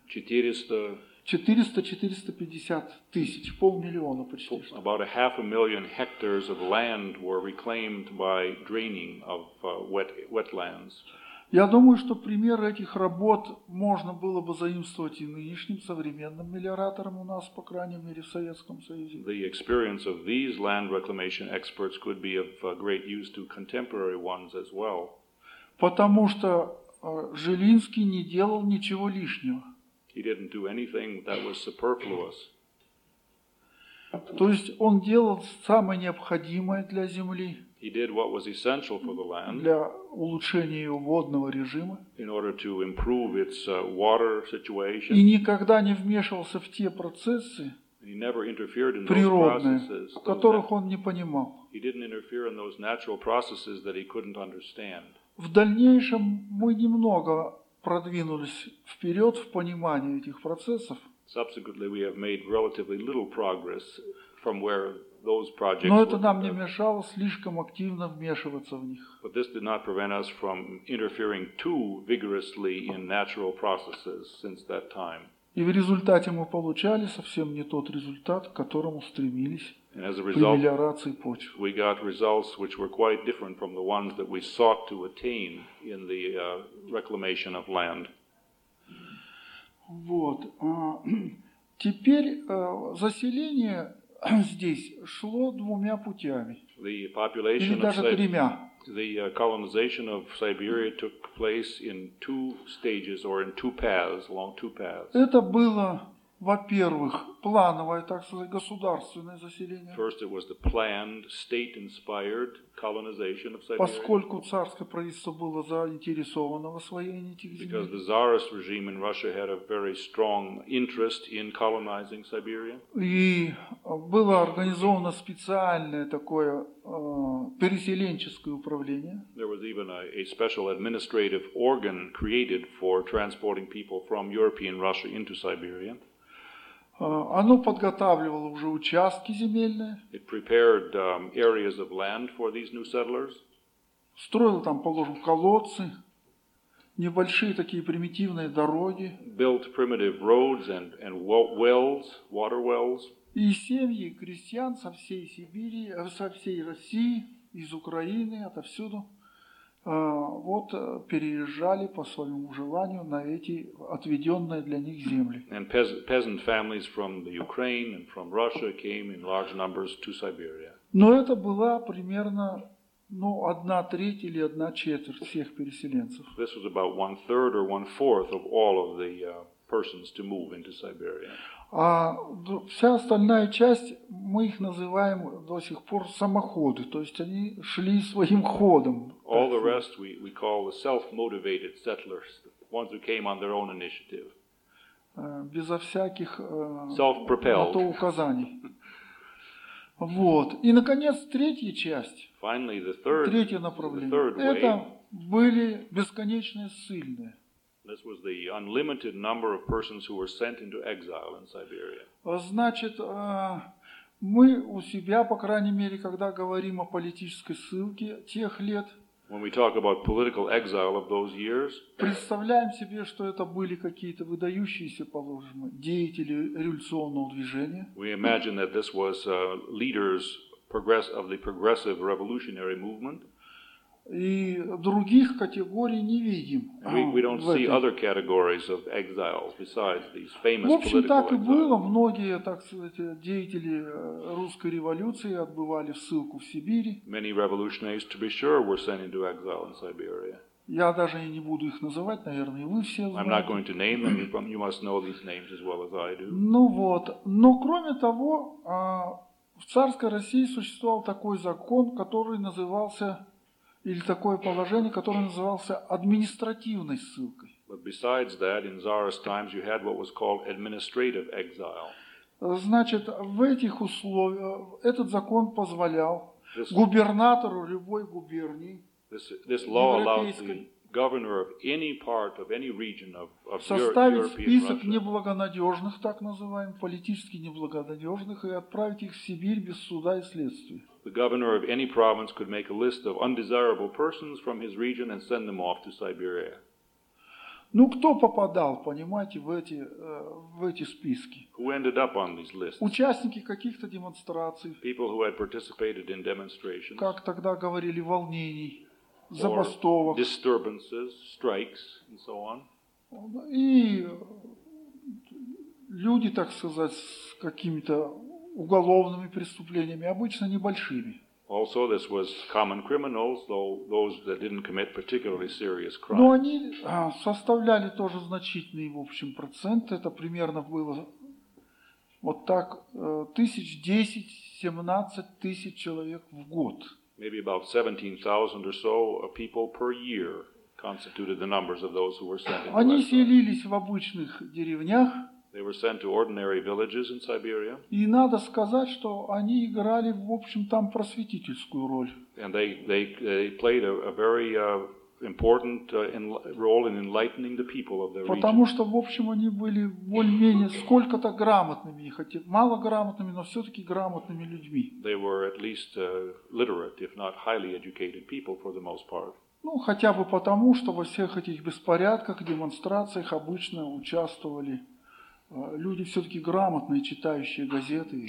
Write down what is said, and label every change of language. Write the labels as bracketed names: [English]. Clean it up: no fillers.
[Russian] 400-450 тысяч, полмиллиона почти. [English] About a half a million hectares of land were reclaimed by draining of wetlands. [Russian] Я думаю, что примеры этих работ можно было бы заимствовать и нынешним современным мелиораторам у нас, по крайней мере, в Советском Союзе. [English] The experience of these land reclamation experts could be of great use to contemporary ones as well. [Russian] Потому что Жилинский не делал ничего лишнего. [English] He didn't do anything that was superfluous. [Russian] То есть он делал самое необходимое для земли. [English] He did what was essential for the land. [Russian] Для улучшения его водного режима. [English] In order to improve its water situation. [Russian] И никогда не вмешивался в те процессы. [English] He never interfered in [Russian] природные, [English] those processes, [Russian] которых он не понимал. [English] He didn't interfere in those natural processes that he couldn't understand. [Russian] В дальнейшем мы немного продвинулись вперед в понимании этих процессов. [English] Subsequently, we have made relatively little progress from where. [Russian] Но это нам не мешало слишком активно вмешиваться в них. [English] But this did not prevent us from interfering too vigorously in natural processes since that time. [Russian] И в результате мы получали совсем не тот результат, к которому стремились при мелиорации почв. [English] We got results which were quite different from the ones that we sought to attain in the reclamation of land. [Russian] Вот. Теперь заселение здесь шло двумя путями, или даже тремя. [English] The colonization of Siberia took place in two stages or in two paths, along two paths. [Russian] Это было, во-первых, плановое, так сказать, государственное заселение. [English] First, it was the planned, state-inspired colonization of Siberia. [Russian] Поскольку царское правительство было заинтересовано в освоении этих земель. [English] Because the czarist regime in Russia had a very strong interest in colonizing Siberia. [Russian] И было организовано специальное такое переселенческое управление. [English] There was even a special administrative organ created for transporting people from European Russia into Siberia. [Russian] Оно подготавливало уже участки земельные. [English] It prepared areas of land for these new settlers. [Russian] Строило там, положим, колодцы, небольшие такие примитивные дороги. [English] Built primitive roads and wells, water wells. [Russian] И семьи крестьян со всей Сибири, со всей России, из Украины, отовсюду, вот переезжали по своему желанию на эти отведенные для них земли. [English] And peasant families from the Ukraine and from Russia came in large numbers to Siberia. [Russian] Но это была примерно, ну, одна треть или одна четверть всех переселенцев. [English] This was about one third or one fourth of all of the persons to move into Siberia. [Russian] А вся остальная часть, мы их называем до сих пор самоходы, то есть они шли своим ходом. [English] All the rest we call the self-motivated settlers, the ones who came on their own initiative. [Russian] Безо всяких [English] self-propelled. [Russian] На то указаний. Вот. И, наконец, третья часть, [English] finally, the third, [Russian] третье направление, [English] the third way, [Russian] это были бесконечные ссыльные. [English] This was the unlimited number of persons who were sent into exile in Siberia. [Russian] Значит, мы у себя, по крайней мере, когда говорим о политической ссылке тех лет, [English] when we talk about political exile of those years, [Russian] представляем себе, что это были какие-то выдающиеся, положим, деятели революционного движения. [English] We imagine that this was leaders progress of the progressive revolutionary movement. [Russian] И других категорий не видим. [English] We don't see other categories of exiles besides these famous political exiles. [Russian] В общем, так и было. Многие, так сказать, деятели русской революции отбывали ссылку в Сибири. [English] Many revolutionaries, to be sure, were sent into exile in Siberia. [Russian] Я даже не буду их называть, наверное, вы все знаете. [English] I'm not going to name them. You must know these names as well as I do. [Russian] Ну вот. Но кроме того, в царской России существовал такой закон, который назывался или такое положение, которое называлось административной ссылкой. [English] But besides that, in Tsarist times you had what was called administrative exile. [Russian] Значит, в этих условиях этот закон позволял губернатору любой губернии, [English] this law allowed the governor of any part of any region of Europe, [Russian] составить список неблагонадежных, так называемых, политически неблагонадежных, и отправить их в Сибирь без суда и следствия. [English] The governor of any province could make a list of undesirable persons from his region and send them off to Siberia. [Russian] Ну, кто попадал, понимаете, в эти списки? [English] Who ended up on these lists? [Russian] Участники каких-то демонстраций. [English] People who had participated in demonstrations. [Russian] Как тогда говорили, волнений, забастовок. [English] Or disturbances, strikes, and so on. [Russian] И люди, так сказать, с какими-то уголовными преступлениями, обычно небольшими. [English] Also, this was common criminals, though those that didn't commit particularly serious crimes. [Russian] Но они составляли тоже значительный, в общем, процент. Это примерно было вот так 10-17 тысяч человек в год. [English] Maybe about 17,000 or so people per year constituted the numbers of those who were sent. [Russian] Они селились в обычных деревнях. [English] They were sent to ordinary villages in Siberia. [Russian] И надо сказать, что они играли, в общем, там просветительскую роль. [English] And they played a very important role in enlightening the people of their region. [Russian] Потому что, в общем, они были более-менее сколько-то грамотными, хотя мало грамотными, но все-таки грамотными людьми. [English] They were at least literate, if not highly educated people for the most part. [Russian] Ну, хотя бы потому, что во всех этих беспорядках, демонстрациях обычно участвовали люди все-таки грамотные, читающие газеты.